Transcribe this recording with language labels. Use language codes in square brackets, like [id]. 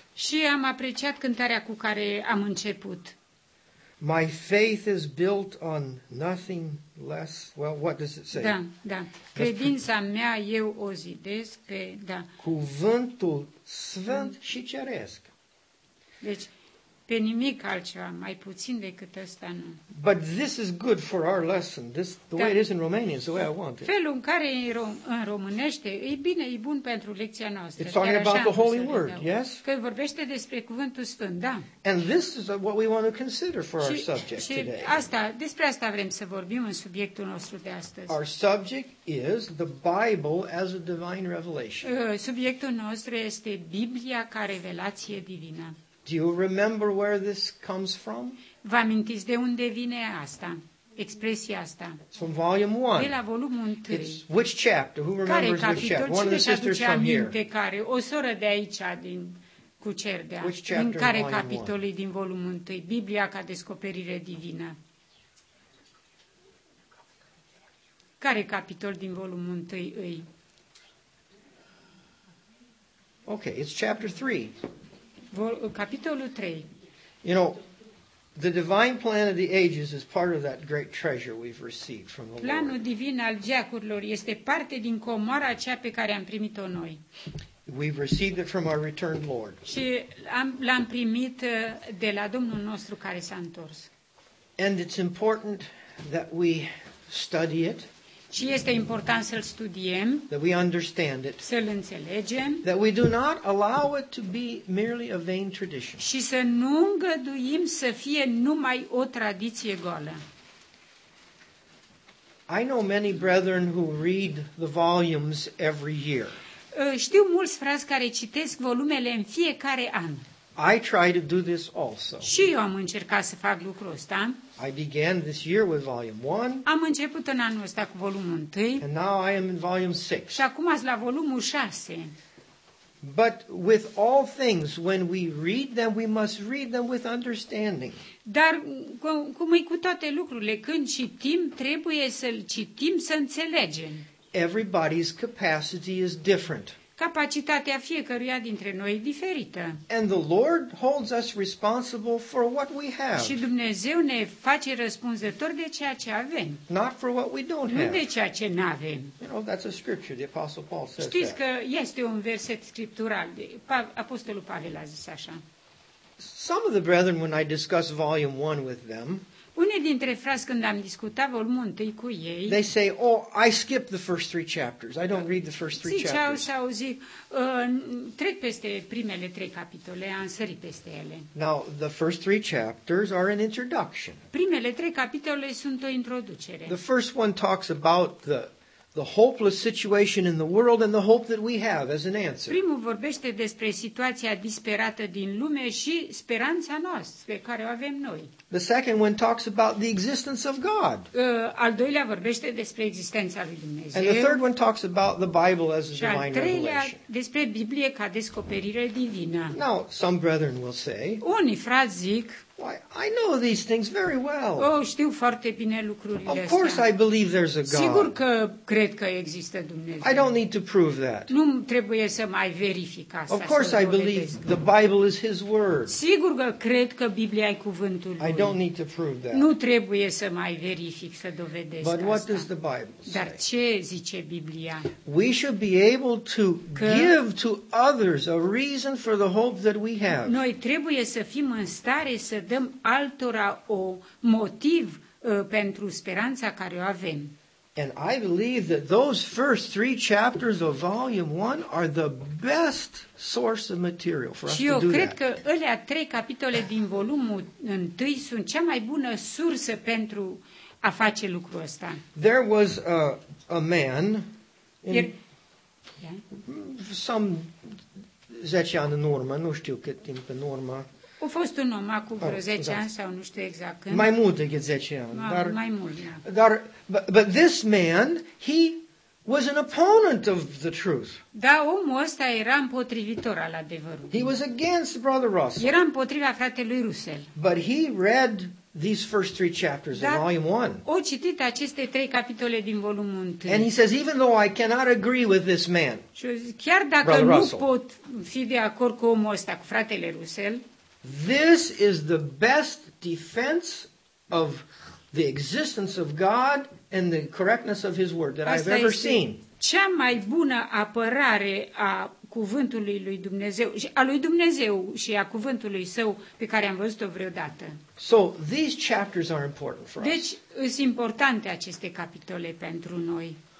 [ro] Și am apreciat cântarea cu care am început. [en] My faith is built on nothing less. Well, what does it say? [ro] Da, da. Credința mea eu o zidesc pe, da. Cuvântul sfânt și ceresc. Deci pe nimic altceva, mai puțin decât ăsta, nu. [en] But this is good for our lesson. This the way it is in Romanian, the way I want it. [ro] Felul în care e în românește, e bine, e bun pentru lecția noastră. [en] It's talking about the Holy Word, yes? [ro] Că vorbește despre Cuvântul Sfânt, da. [en] And this is what we want to consider for our subject today. [ro] Și asta, despre asta vrem să vorbim în subiectul nostru de astăzi. [en] Our subject is the Bible as a divine revelation. [ro] Subiectul nostru este Biblia ca revelație divină. [en] Do you remember where this comes from? [ro] Vă amintiți de unde vine asta? Expresia asta. [en] It's from volume 1. [ro] De la volumul 1. [en] It's which chapter? Who remembers [ro] care [en] which chapter? One of the sisters from here. [ro] Care? O soră de aici din Cucerdea. [en] Which chapter? [ro] În care capitol e din volumul 1? Biblia ca descoperire divină. Care capitol din volumul 1 îi? [en] Okay, it's chapter 3. [ro] Capitolul 3. [en] You know, the divine plan of the ages is part of that great treasure we've received from the Lord. [ro] Planul divin al geacurilor este parte din comoara aceea pe care am primit-o noi. [en] We've received it from our returned Lord. [ro] Și l-am primit de la Domnul nostru care s-a întors. [en] And it's important that we study it. [ro] Și este important să-l studiem, [en] that we understand it, [ro] să-l înțelegem, [en] that we do not allow it to be merely a vain tradition. [ro] Și să nu îngăduim să fie numai o tradiție goală. [en] I know many brethren who read the volumes every year. [ro] Știu mulți frați care citesc volumele în fiecare an. [en] I try to do this also. [ro] Și eu am încercat să fac lucrul ăsta. [en] I began this year with volume 1. [ro] Am început în anul ăsta cu volumul 1. [en] And now I am in volume 6. [ro] Și acum sunt la volumul 6. [en] But with all things, when we read them, we must read them with understanding. [ro] Dar cum e cu toate lucrurile, când citim, trebuie să-l citim să înțelegem. [en] Everybody's capacity is different. [ro] Capacitatea fiecăruia dintre noi e diferită. [en] And the Lord holds us responsible for what we have. [ro] Și Dumnezeu ne face răspunzător de ceea ce avem. [en] Not for what we don't have. [ro] Nu de ceea ce n-avem. [en] You know, that's a scripture, the Apostle Paul says. [ro] Știți că este un verset scriptural, apostolul Pavel a zis așa. [en] Some of the brethren when I discuss volume 1 with them, [ro] unii dintre frați când am discutat volumul întâi cu ei, [en] they say, oh, I skip the first three chapters. I don't read the first three chapters. [ro] Ziceau sau zic, trec peste primele trei capitole, am sărit peste ele. [en] Now, the first three chapters are an introduction. [ro] Primele trei capitole sunt o introducere. [en] The first one talks about the hopeless situation in the world and the hope that we have as an answer. [ro] Primul vorbește despre situația disperată din lume și speranța noastră pe care o avem noi. [en] The second one talks about the existence of God. [ro] Al doilea vorbește despre existența lui Dumnezeu. [en] And the third one talks about the Bible as a divine revelation. [ro] Și al treilea despre Biblie ca descoperire divină. [en] Now, some brethren will say, [ro] unii frați zic, [en] why, I know these things very well. [ro] Oh, știu foarte bine lucrurile astea. [en] Of course I believe there's a God. [ro] Sigur că cred că există Dumnezeu. [en] I don't need to prove that. [ro] Nu trebuie să mai verific asta. [en] Of course I believe the Bible is his word. [ro] Sigur că cred că Biblia e cuvântul lui. [en] I don't need to prove that. [ro] Nu trebuie să mai verific, să dovedesc [en] but [ro] asta. [en] What does the Bible say? [ro] Dar ce zice Biblia? [en] We should be able to give to others a reason for the hope that we have. [ro] Noi trebuie să fim în stare să dăm altora o motiv pentru speranța care o avem. [en] And I believe that those first three chapters of volume one are the best source of material for us to do that. [ro] Și eu cred că alea trei capitole din volumul întâi sunt cea mai bună sursă pentru a face lucrul ăsta. [en] There was a man in some [ro] 10 ani în urmă, nu știu cât timp în urmă. A fost un om acum vreo 10 ani sau nu știu exact când. Mai mult decât 10 ani. Mai mult, da. Dar, [en] but this man, he was an opponent of the truth. [ro] Da, omul ăsta era împotrivitor al adevărului. [en] He was against Brother Russell. [ro] Era împotriva fratelui Russell. [en] But he read these first three chapters in volume one. [ro] O citit aceste trei capitole din volumul 1. [en] And he says, even though I cannot agree with this man, [ro] chiar dacă Brother Russell, nu pot fi de acord cu omul ăsta, cu fratele Russell, [en] this is the best defense of the existence of God and the correctness of His word that I've ever seen. [ro] Cea mai bună apărare a cuvântului lui Dumnezeu, a lui Dumnezeu și a cuvântului său pe care am văzut-o vreodată. [en] So these chapters are important for us. [ro] Deci sunt importante aceste capitole pentru noi.